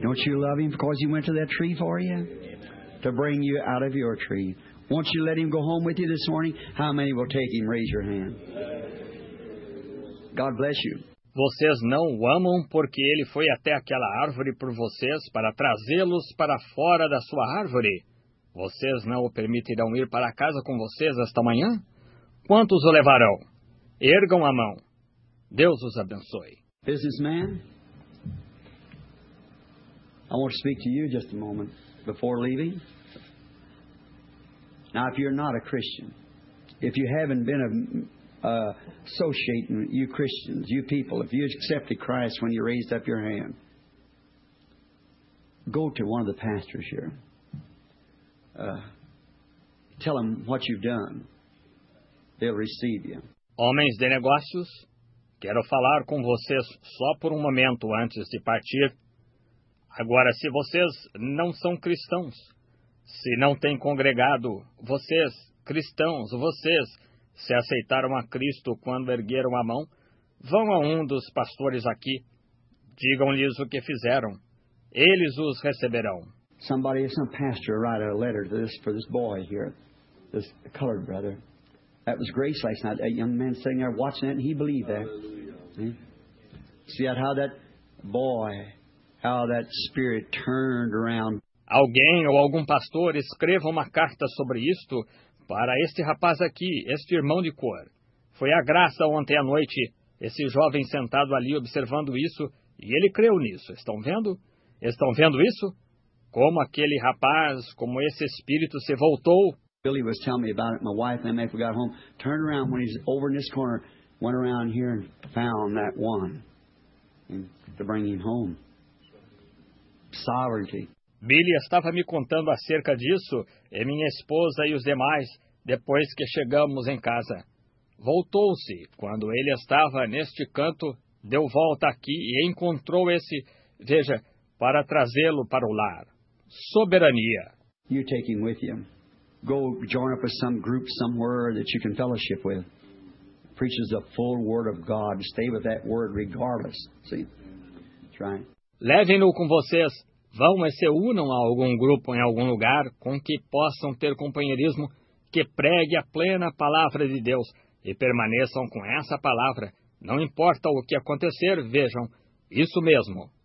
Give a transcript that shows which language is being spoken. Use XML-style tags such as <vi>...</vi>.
<en>Don't you love him because he went to that tree for you? To bring you out of your tree. Won't you let him go home with you this morning? How many will take him? Raise your hand. God bless you.</en> <pt>Vocês não o amam porque ele foi até aquela árvore por vocês para trazê-los para fora da sua árvore? Vocês não o permitirão ir para casa com vocês esta manhã? Quantos o levarão? Ergam a mão. Deus os abençoe.</pt> <en>Businessman, I want to speak to you just a moment before leaving. Now, if you're not a Christian, if you haven't been associating you Christians, you people, if you accepted Christ when you raised up your hand, go to one of the pastors here. Tell them what you've done. They'll receive you.</en> <pt>Homens de negócios, quero falar com vocês só por um momento antes de partir. Agora, se vocês não são cristãos, se não têm congregado, vocês, cristãos, vocês, se aceitaram a Cristo quando ergueram a mão, vão a um dos pastores aqui. Digam-lhes o que fizeram. Eles os receberão.</pt> <en>Somebody, some pastor, write a letter to this, for this boy here, this colored brother. That was grace last night. That young man sitting there watching it, and he believed that. See how that boy, how that spirit turned around.</en> <pt>Alguém ou algum pastor escreva uma carta sobre isto, para este rapaz aqui, este irmão de cor. Foi a graça ontem à noite, esse jovem sentado ali observando isso, e ele creu nisso. Estão vendo? Estão vendo isso? Como aquele rapaz, como esse espírito se voltou?</pt> <en>Billy was telling me about it. My wife and I made, we got home, turned around when he's over in this corner, went around here and found that one to bring him home. Sovereignty.</en> <pt>Billy estava me contando acerca disso, e minha esposa e os demais, depois que chegamos em casa. Voltou-se, quando ele estava neste canto, deu volta aqui e encontrou esse, veja, para trazê-lo para o lar. Soberania.</pt> <en>You take him with you. Go join up with some group somewhere that you can fellowship with. Preaches the full word of God. Stay with that word regardless. See? That's right.</en> <pt>Levem-no com vocês. Vão e se unam a algum grupo em algum lugar com que possam ter companheirismo, que pregue a plena palavra de Deus e permaneçam com essa palavra. Não importa o que acontecer, vejam, isso mesmo.</pt>